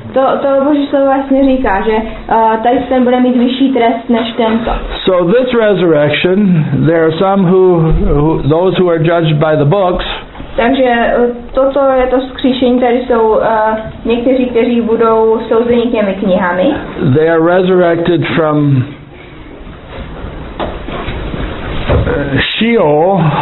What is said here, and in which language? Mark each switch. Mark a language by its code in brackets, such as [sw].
[cs] To Boží slovo vlastně říká, že tady ten bude mít vyšší trest než tento. [en] So this resurrection, there are some who those who are judged by the books. [cs] Takže toto je to vzkříšení, tady jsou někteří, kteří budou souzeni těmi knihami. [en] They are resurrected from Sheol.